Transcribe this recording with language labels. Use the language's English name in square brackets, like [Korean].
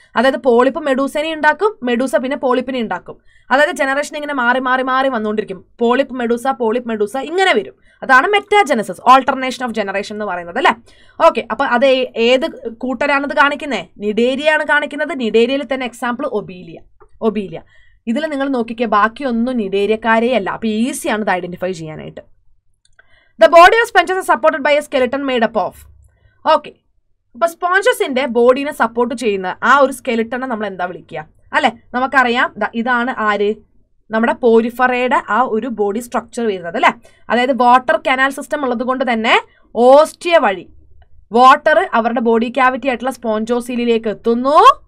[Malayalam] അതായത് പോളിപ്പ് മെഡൂസേനെ ഉണ്ടാക്കും, മെഡൂസ പിന്നെ പോളിപ്പിനെ ഉണ്ടാക്കും. അതായത് ജനറേഷൻ ഇങ്ങനെ മാറി മാറി മാറി വന്നുകൊണ്ടിരിക്കും. പോളിപ്പ് മെഡൂസ, പോളിപ്പ് മെഡൂസ ഇങ്ങനെ വരും. അതാണ് മെറ്റാജനസിസ്, ഓൾട്ടർനേഷൻ ഓഫ് ജനറേഷൻ എന്ന് പറയുന്നത് അല്ലേ. ഓക്കെ, അപ്പം അത് ഏത് കൂട്ടരാണത് കാണിക്കുന്നത്? നിഡേരിയാണ് കാണിക്കുന്നത്. നിഡേരിയയിൽ തന്നെ എക്സാമ്പിൾ ഒബീലിയ. ഒബീലിയ ഇതിൽ നിങ്ങൾ നോക്കിക്കുക, ബാക്കിയൊന്നും നിഡേരിയക്കാരെയല്ല. അപ്പോൾ ഈസിയാണ് ഇത് ഐഡൻറ്റിഫൈ ചെയ്യാനായിട്ട്. [English] The body of sponges is supported by a skeleton made up of. Okay. [Malayalam] അപ്പൊ സ്പോഞ്ചസിന്റെ ബോഡിനെ സപ്പോർട്ട് ചെയ്യുന്ന ആ ഒരു സ്കെലിട്ടനെ നമ്മൾ എന്താ വിളിക്കുക അല്ലെ? നമുക്കറിയാം ഇതാണ് ആര്, നമ്മുടെ പോരിഫറയുടെ ആ ഒരു ബോഡി സ്ട്രക്ചർ വരുന്നത് അല്ലെ. അതായത് വാട്ടർ കനാൽ സിസ്റ്റം ഉള്ളത് കൊണ്ട് തന്നെ ഓസ്റ്റിയ വഴി വാട്ടർ അവരുടെ ബോഡി ക്യാവിറ്റി ആയിട്ടുള്ള സ്പോഞ്ചോസീലിയിലേക്ക് എത്തുന്നു.